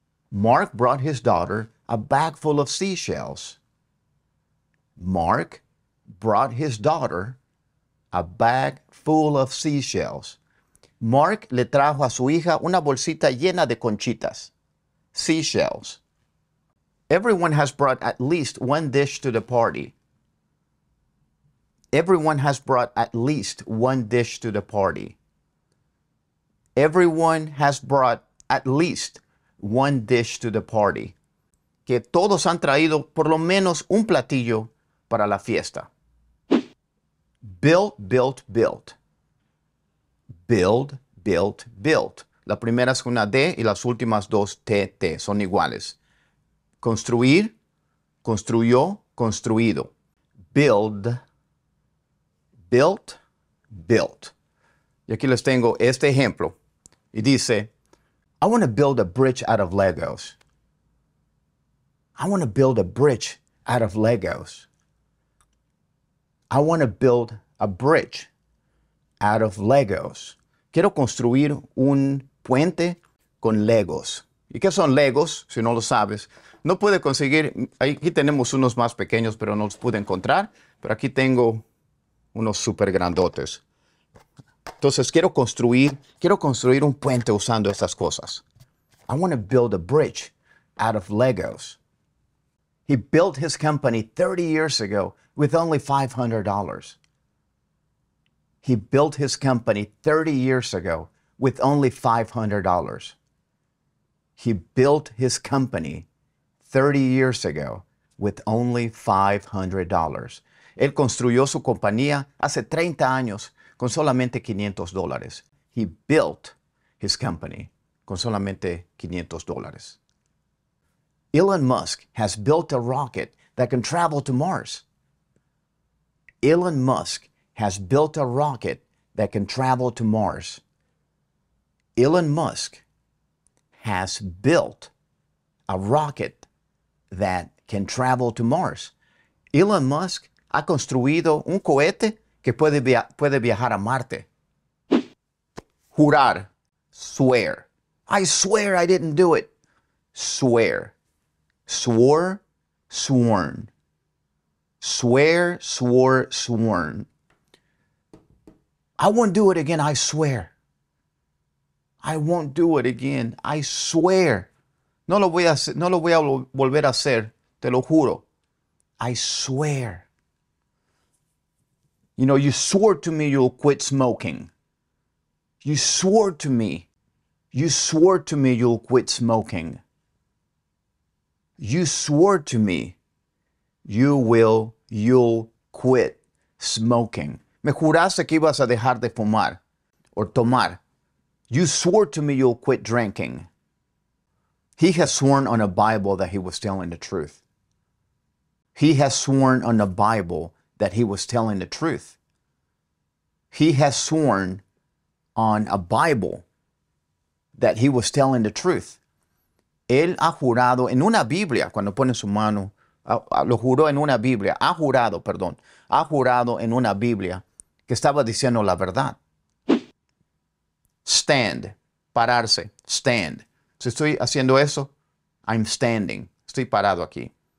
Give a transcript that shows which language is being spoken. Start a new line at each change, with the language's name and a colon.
English: Mark brought his daughter a bag full of seashells. Mark brought his daughter a bag full of seashells.
Spanish: Mark le trajo a su hija una bolsita llena de conchitas.
English: Seashells. Everyone has brought at least one dish to the party. Everyone has brought at least one dish to the party. Everyone has brought at least one dish to the party.
Spanish: Que todos han traído por lo menos un platillo para la fiesta.
English: Built, built, built. Build, built, built.
Spanish: La primera es una D y las últimas dos T, T. Son iguales. Construir, construyó, construido.
English: Build, built, built.
Spanish: Y aquí les tengo este ejemplo. Y dice,
English: I want to build a bridge out of Legos. I want to build a bridge out of Legos. I want to build a bridge out of Legos.
Spanish: Quiero construir un puente con Legos. ¿Y qué son Legos? Si no lo sabes, no puede conseguir. Aquí tenemos unos más pequeños, pero no los pude encontrar. Pero aquí tengo unos súper grandotes. Entonces, quiero construir un puente usando estas cosas.
English: I want to build a bridge out of Legos. He built his company 30 years ago with only $500. He built his company 30 years ago with only $500. He built his company 30 years ago with only $500.
Spanish: Él construyó su compañía hace 30 años con solamente $500.
English: He built his company
Spanish: con solamente $500.
English: Elon Musk has built a rocket that can travel to Mars. Elon Musk has built a rocket that can travel to Mars. Elon Musk has built a rocket that can travel to Mars.
Spanish: Elon Musk ha construido un cohete que puede viajar a Marte.
English: Jurar, swear. I swear I didn't do it. Swear. Swore, sworn. Swear, swore, sworn. I won't do it again, I swear. I won't do it again, I swear.
Spanish: No lo voy a volver a hacer, te lo juro.
English: I swear. You know, you swore to me you'll quit smoking. You swore to me. You swore to me you'll quit smoking. You swore to me you'll quit smoking.
Spanish: Me juraste que ibas a dejar de fumar or tomar.
English: You swore to me you'll quit drinking. He has sworn on a Bible that he was telling the truth. He has sworn on a Bible that he was telling the truth. He has sworn on a Bible that he was telling the truth.
Spanish: Él ha jurado en una Biblia, cuando pone su mano, lo juró en una Biblia, ha jurado en una Biblia que estaba diciendo la verdad. Stand, pararse, stand. Si estoy haciendo eso,
English: I'm standing,
Spanish: estoy parado aquí.